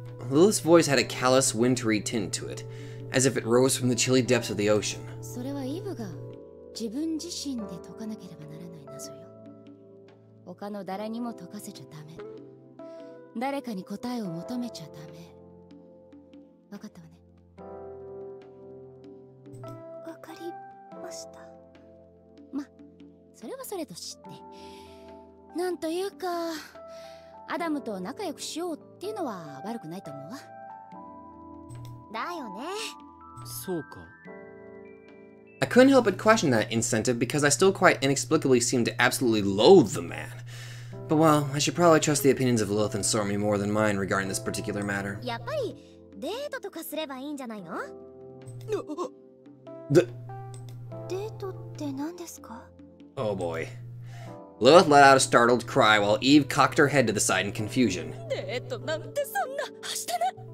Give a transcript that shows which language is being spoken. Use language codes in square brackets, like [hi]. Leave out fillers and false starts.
[en] Lilith's voice had a callous, wintry tint to it, as if it rose from the chilly depths of the ocean. [ja] それはイブが自分自身で解かなければならない謎よ。他の誰にも解かせちゃダメ。誰かに答えを求めちゃダメ。分かったわね。分かりました。ま、それはそれと知って。なんというか、アダムと仲良くしようっていうのは悪くないと思うわ。だよね。そうか。 [en] I couldn't help but question that incentive because I still quite inexplicably seemed to absolutely loathe the man. But well, I should probably trust the opinions of Lilith and Sormi more than mine regarding this particular matter. [ja] やっぱりデートとかすればいいんじゃないの？デートって何ですか？ [en] Oh boy. Lilith let out a startled cry while Eve cocked her head to the side in confusion. [ja] デートなんてそんな、はしたな！